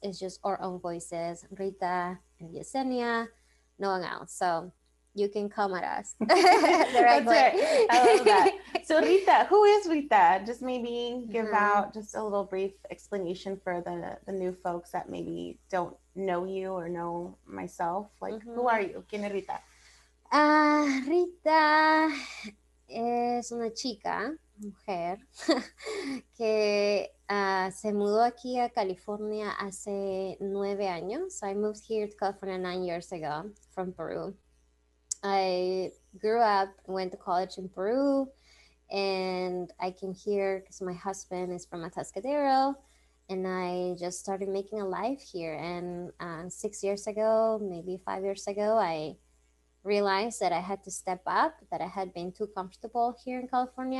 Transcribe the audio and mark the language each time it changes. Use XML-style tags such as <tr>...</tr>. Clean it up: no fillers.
<en>It's just our own voices, Rita and Yesenia, no one else. So you can come at us. That's right. I love that. So Rita, who is Rita? Just maybe give mm-hmm. out just a little brief explanation for the new folks that maybe don't know you or know myself. Like, mm-hmm. who are you?</en> <es>¿Quién es Rita? Rita es una chica, mujer, que se mudó aquí a California hace 9 años.</es> <en>So I moved here to California 9 years ago from Peru. I grew up, went to college in Peru, and I came here because my husband is from Atascadero, and I just started making a life here. And 6 years ago, maybe 5 years ago, I realized that I had to step up, that I had been too comfortable here in California.</en>